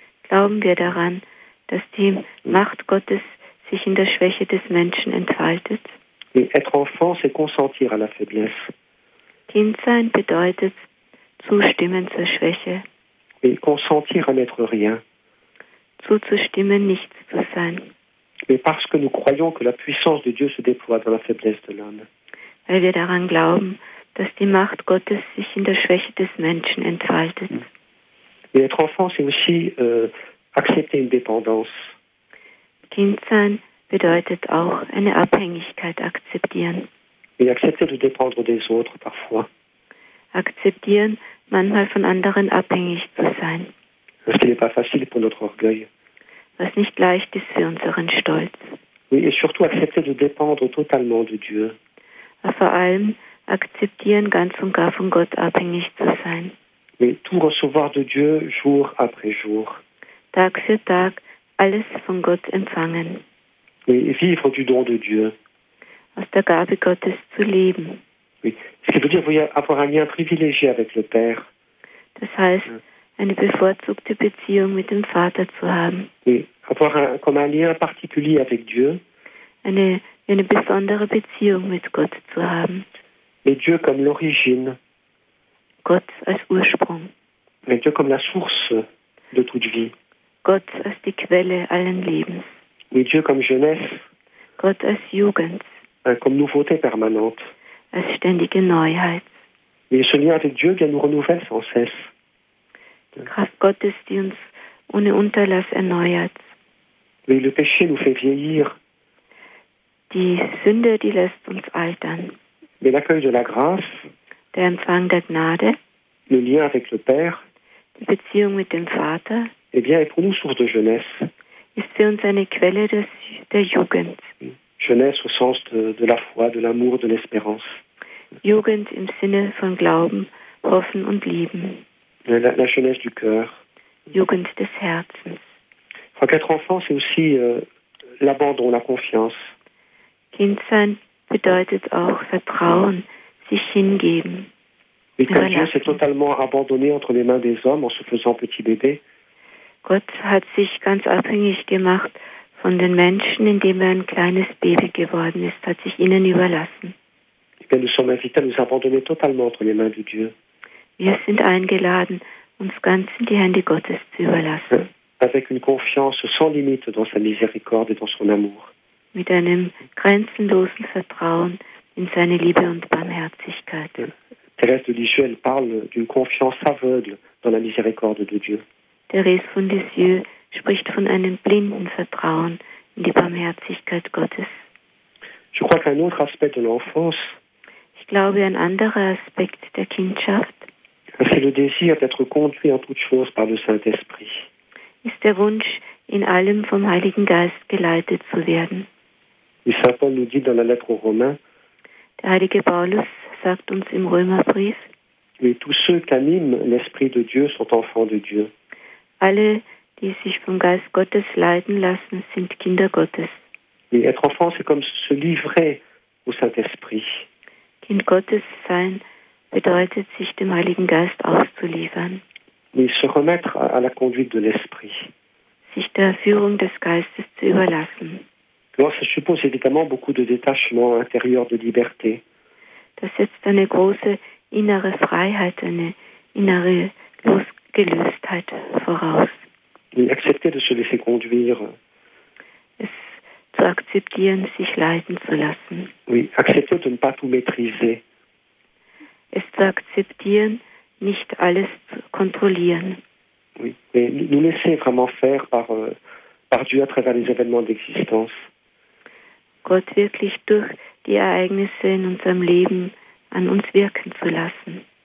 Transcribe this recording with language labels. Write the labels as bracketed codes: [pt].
[de] Glauben wir daran, dass die Macht Gottes sich in der Schwäche des Menschen entfaltet? [fr] Et être enfant, c'est consentir à la faiblesse. [de] Kind sein bedeutet zustimmen zur Schwäche. [fr] Et consentir à n'être rien. [de] Zuzustimmen, nichts zu sein. [fr] Mais parce que nous croyons que la puissance de Dieu se déploie dans la faiblesse de l'homme. [de] Weil wir daran glauben, dass die Macht Gottes sich in der Schwäche des Menschen entfaltet. [fr] Et être enfant, c'est aussi accepter une dépendance. [de] Kind sein bedeutet auch eine Abhängigkeit akzeptieren. [fr] Et accepter de dépendre des autres parfois. [de] Akzeptieren, manchmal von anderen abhängig zu sein. [fr] Ce qui n'est pas facile pour notre orgueil. [de] Was nicht leicht ist für unseren Stolz. [fr] Oui, et surtout accepter de dépendre totalement de Dieu. [de] Aber vor allem akzeptieren, ganz und gar von Gott abhängig zu sein. [fr] Mais tout recevoir de Dieu jour après jour. [de] Tag für Tag alles von Gott empfangen. [fr] Et vivre du don de Dieu. [de] Aus der Gabe Gottes zu leben. [fr] Oui. Ce qui veut dire vous avoir un lien privilégié avec le Père. [de] Das heißt, eine bevorzugte Beziehung mit dem Vater zu haben. [fr] Oui. Avoir comme un lien particulier avec Dieu. [de] Eine besondere Beziehung mit Gott zu haben. [fr] Et Dieu comme l'origine. [de] Gott als Ursprung. [fr] Mais Dieu comme la source de toute vie. [de] Gott als die Quelle allen Lebens. [fr] Mais Dieu comme jeunesse. [de] Gott als Jugend. [fr] Comme nouveauté permanente. [de] Als ständige Neuheit. [fr] Mais ce lien avec Dieu qui nous renouvelle sans cesse. [de] Kraft Gottes, die uns ohne Unterlass erneuert. [fr] Mais le péché nous fait vieillir. [de] Die Sünde, die lässt uns altern. [fr] Mais l'accueil de la grâce. [de] Der Empfang der Gnade. [fr] Le lien avec le Père. [de] Die Beziehung mit dem Vater. [fr] Eh bien, est pour nous source de jeunesse. [de] Ist für uns eine Quelle der Jugend. [fr] Jeunesse au sens de la foi, de l'amour, de l'espérance. [de] Jugend im Sinne von Glauben, Hoffen und Lieben. [fr] La jeunesse du cœur. [de] Jugend des Herzens. [fr] Je crois qu'être enfant, c'est aussi l'abandon, la confiance. [de] Kind sein bedeutet auch Vertrauen, sich hingeben. [fr] Mais quand Dieu s'est totalement abandonné entre les mains des hommes en se faisant petit bébé. [de] Gott hat sich ganz abhängig gemacht von den Menschen, indem ein kleines Baby geworden ist, hat sich ihnen überlassen. [fr] Et bien, nous sommes invités à nous abandonner totalement entre les mains de Dieu. [de] Wir sind eingeladen, uns ganz in die Hände Gottes zu überlassen. [fr] Avec une confiance sans limite dans sa miséricorde et dans son amour. [de] Mit einem grenzenlosen Vertrauen in seine Liebe und Barmherzigkeit. [fr] Thérèse de Lisieux, elle parle d'une confiance aveugle dans la miséricorde de Dieu. [de] Thérèse von Lisieux spricht von einem blinden Vertrauen in die Barmherzigkeit Gottes. [fr] Je crois qu'un autre aspect de l'enfance. [de] Ich glaube, ein anderer Aspekt der Kindschaft. [fr] C'est le désir d'être conduit en toutes choses par le Saint-Esprit. [de] Ist der Wunsch, in allem vom Heiligen Geist geleitet zu werden. [fr] Et Saint Paul nous dit dans la lettre aux Romains. [de] Der heilige Paulus sagt uns im Römerbrief. [fr] Mais tous ceux qui animent l'Esprit de Dieu sont enfants de Dieu. [de] Alle, die sich vom Geist Gottes leiten lassen, sind Kinder Gottes. [fr] Et être enfant, c'est comme se livrer au Saint-Esprit. [de] Kind Gottes sein bedeutet, sich dem Heiligen Geist auszuliefern. [fr] Mais se remettre à la conduite de l'Esprit. [de] Sich der Führung des Geistes zu überlassen. [fr] Alors, ça suppose évidemment beaucoup de détachement intérieur, de liberté. [de] Das setzt eine große innere Freiheit, eine innere Losgelöstheit voraus. [fr] Et accepter de se laisser conduire. [de] Es zu akzeptieren, sich leiten zu lassen. [fr] Oui, accepter de ne pas tout maîtriser. [de] Es zu akzeptieren, nicht alles zu kontrollieren. [fr] Oui, mais nous laisser vraiment faire par Dieu à travers les événements d'existence. [de] Gott wirklich durch die Ereignisse in unserem Leben an uns wirken zu lassen.